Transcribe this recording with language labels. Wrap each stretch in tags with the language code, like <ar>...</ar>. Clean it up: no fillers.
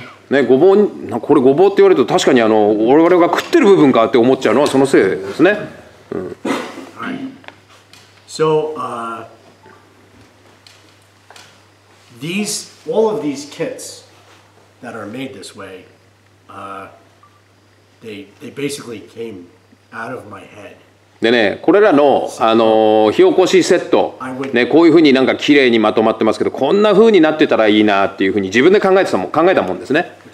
<ja>ね、ごぼう、これごぼうって言われると確かにあの我々が食ってる部分かって思っちゃうのはそのせいですね。</ja> <en>So, these, all of these kits that are made this way, they basically came out of my head.</en> <ja>でね、これらの、火起こしセット、ね、こういうふうになんか綺麗にまとまってますけど、こんなふうになってたらいいなっていうふうに自分で考えたもんですね。</ja>